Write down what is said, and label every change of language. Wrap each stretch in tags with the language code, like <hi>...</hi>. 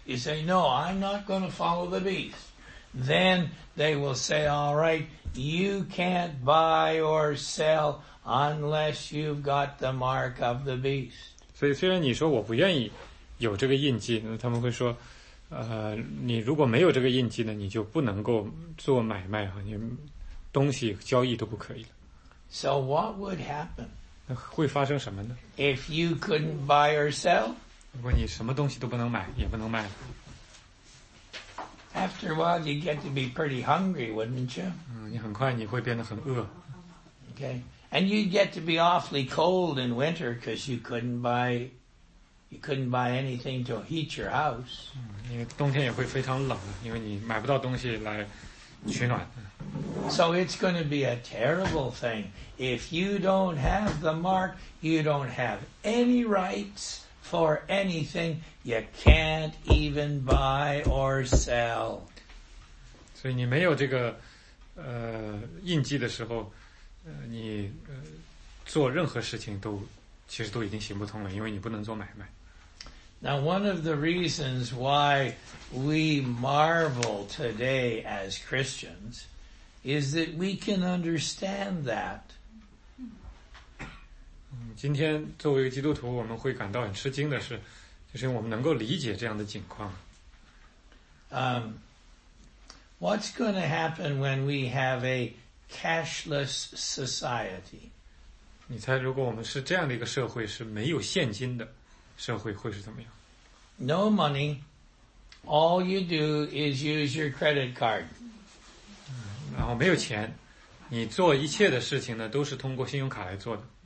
<en>You say, no, I'm not going to follow the beast. Then they will say, all right, you can't buy or sell unless you've got the mark of the beast.</en> <zh>所以虽然你说我不愿意有这个印记，那他们会说，你如果没有这个印记呢，你就不能够做买卖啊，你东西交易都不可以了。</zh> <en>So what would happen?</en> <zh>那会发生什么呢？</zh> <en>If you couldn't buy or sell?</en> <zh>如果你什么东西都不能买，也不能卖了。</zh> <en>After a while, you get to be pretty hungry, wouldn't you?</en> <zh>你很快你会变得很饿。</zh> <en>Okay. And you'd get to be awfully cold in winter because you couldn't buy anything to heat your house.</en> <zh>因为冬天也会非常冷，因为你买不到东西来取暖。</zh> <en>So it's going to be a terrible thing. If you don't have the mark, you don't have any rights for anything. You can't even buy or sell.</en> <zh>所以你没有这个印记的时候，你做任何事情都其实都已经行不通了，因为你不能做买卖。</zh> <en>Now one of the reasons why we marvel today as Christians is that we can understand that.</en> <zh>今天作为一个基督徒，我们会感到很吃惊的是，就是我们能够理解这样的情况。</zh> <en>What's going to happen when we have a cashless society?</en> <zh>你猜，如果我们是这样的一个社会，是没有现金的社会，会是怎么样？</zh> <en>No money. All you do is use your credit card.</en> <zh>然后没有钱，你做一切的事情呢，都是通过信用卡来做的。</zh>